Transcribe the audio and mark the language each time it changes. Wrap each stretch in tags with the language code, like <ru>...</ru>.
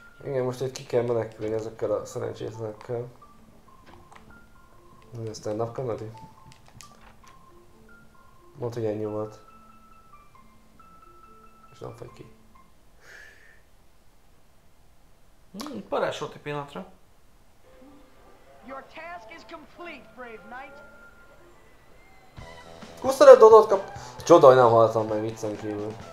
<hu>Igen, most itt ki kell menekülni ezekkel a szerencsétlenekkel. Ez stand-up comedy? Mondd, hogy ennyi volt. És nem fagy ki. Parás volt egy pillanatra.</hu> <en>Your task is complete, brave knight.</en> <hu>25 dodot kap... Csoda, hogy nem haltam meg viccen kívül.</hu>